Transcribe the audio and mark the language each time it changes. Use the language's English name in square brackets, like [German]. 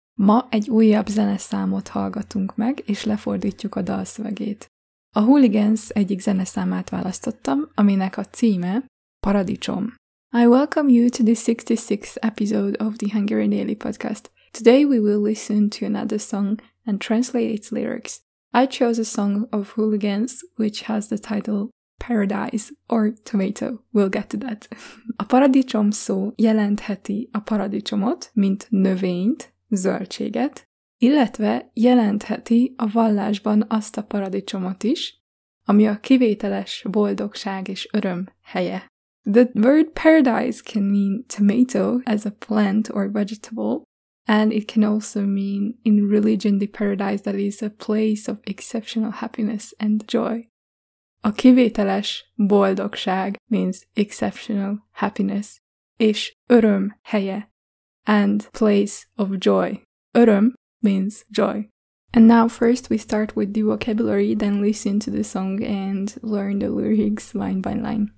[Hungarian] Ma egy újabb zeneszámot hallgatunk meg, és lefordítjuk a dalszövegét. A Hooligans egyik zeneszámát választottam, aminek a címe Paradicsom. [English] I welcome you to the 66th episode of the Hungarian Daily Podcast. Today we will listen to another song and translate its lyrics. I chose a song of Hooligans, which has the title Paradise or Tomato. We'll get to that. [Hungarian] A paradicsom szó jelentheti a paradicsomot, mint növényt, zöldséget, illetve jelentheti a vallásban azt a paradicsomot is, ami a kivételes boldogság és öröm helye. [English] The word paradise can mean tomato as a plant or vegetable, and it can also mean in religion the paradise that is a place of exceptional happiness and joy. [Hungarian] A kivételes boldogság [English] means exceptional happiness, [Hungarian] és öröm helye, [English] and place of joy. Öröm means joy. And now first we start with the vocabulary, then listen to the song and learn the lyrics line by line.